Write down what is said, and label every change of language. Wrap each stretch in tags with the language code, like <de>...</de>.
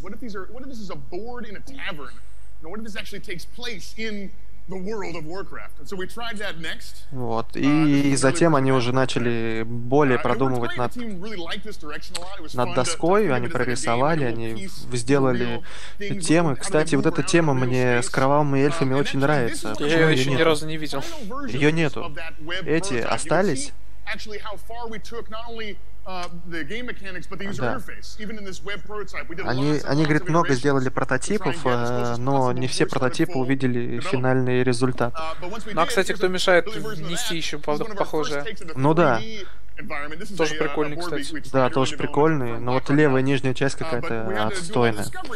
<en>What if this is a board in a tavern? Now, what if this actually takes place in the world of Warcraft? And so we tried that next.</en> <ru>Вот, и затем они уже начали более продумывать над доской, они прорисовали, они сделали темы. Кстати, вот эта тема мне с кровавыми эльфами очень нравится. Я ее еще ни разу не видел. Ее нету. Эти остались.</ru> <en>Actually, how far we took not only the game mechanics, but the user interface. Even in this web prototype, we did a lot.</en> <ru>Они говорят, много сделали прототипов, но не все прототипы увидели финальный результат. Ну, а кстати, кто мешает внести еще похожее? Ну да. Тоже прикольный, кстати. Да, тоже прикольный, но вот левая нижняя часть какая-то отстойная.</ru>